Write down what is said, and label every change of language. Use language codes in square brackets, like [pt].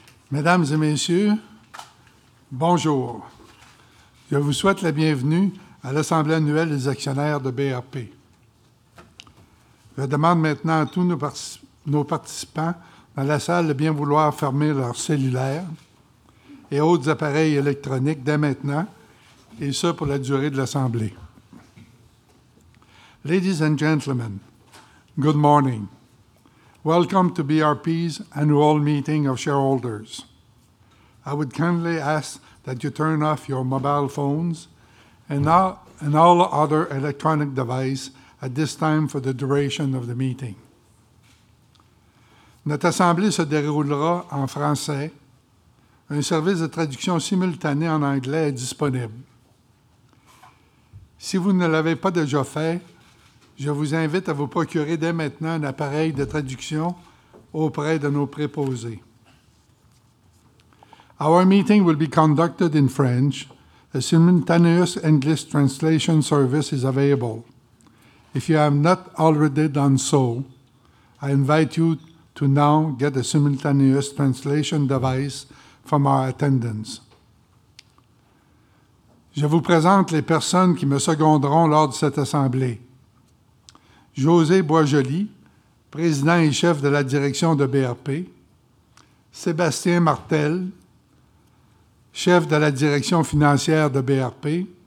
[fr] Mesdames et messieurs, bonjour. Je vous souhaite la bienvenue à l'Assemblée annuelle des actionnaires de BRP. Je demande maintenant à tous nos participants dans la salle de bien vouloir fermer leurs cellulaires et autres appareils électroniques dès maintenant, et ce pour la durée de l'Assemblée. [en] Ladies and gentlemen, good morning. Welcome to BRP's annual meeting of shareholders. I would kindly ask that you turn off your mobile phones and all other electronic devices at this time for the duration of the meeting. [fr] Notre assemblée se déroulera en français. Un service de traduction simultanée en anglais est disponible. Si vous ne l'avez pas déjà fait, je vous invite à vous procurer dès maintenant un appareil de traduction auprès de nos préposés. [en] Our meeting will be conducted in French. A simultaneous English translation service is available. If you have not already done so, I invite you to now get a simultaneous translation device from our attendants. [fr] Je vous présente les personnes qui me seconderont lors de cette assemblée. José Boisjoli, président et chef de la direction de BRP. Sébastien Martel, chef de la direction financière de BRP.